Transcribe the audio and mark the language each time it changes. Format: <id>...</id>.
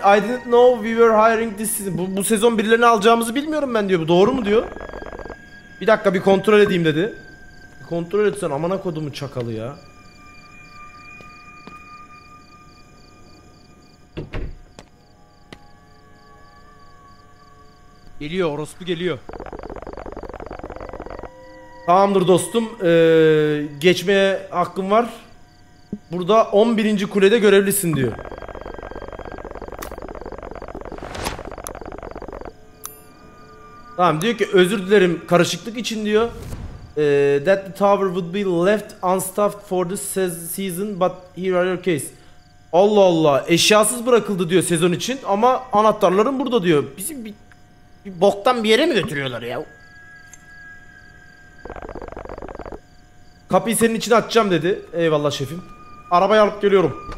<en>I didn't know we were hiring this season.</en> <tr>Bu sezon birilerini alacağımızı bilmiyorum ben diyor. Bu doğru mu diyor? Bir dakika, bir kontrol edeyim dedi. Bir kontrol etsen amana kodumu çakalı ya. Geliyor, orospu geliyor. Tamamdır dostum. Geçmeye hakkım var. Burada 11. kulede görevlisin diyor. Tamam, diyor ki özür dilerim karışıklık için diyor.</tr> <en>That the tower would be left unstaffed for this season but here are your keys.</en> <tr>Allah Allah, eşyasız bırakıldı diyor sezon için ama anahtarlarım burada diyor. Bizim bir boktan bir yere mi götürüyorlar ya? Kapıyı senin için açacağım dedi. Eyvallah şefim. Arabayı alıp geliyorum.</tr>